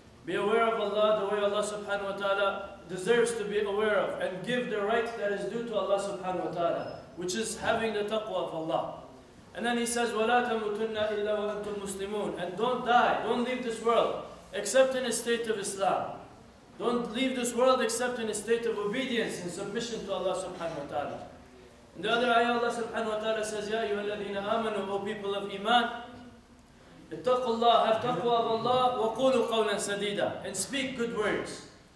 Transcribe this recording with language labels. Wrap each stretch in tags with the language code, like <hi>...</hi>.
<en>Be aware of Allah the way Allah subhanahu wa ta'ala deserves to be aware of, and give the right that is due to Allah subhanahu wa ta'ala, which is having the taqwa of Allah. And then he says,</en> <ar>وَلَا تَمُتُنَّ إِلَّا وَأَنْتُمْ مُسْلِمُونَ.</ar> <en>And don't die, don't leave this world, except in a state of Islam. Don't leave this world except in a state of obedience and submission to Allah subhanahu wa ta'ala. In the other ayah, Allah subhanahu wa ta'ala says,</en> <ar>يَا أَيُّهَا الَّذِينَ آمَنُوا,</ar> <en>O people of Iman,</en> <ar>اتَّقُوا اللَّهَ,</ar> <en>have taqwa of Allah,</en> <ar>وَقُولُوا قَوْلًا سَدِيدًا,</ar> <en>and speak good words.</en>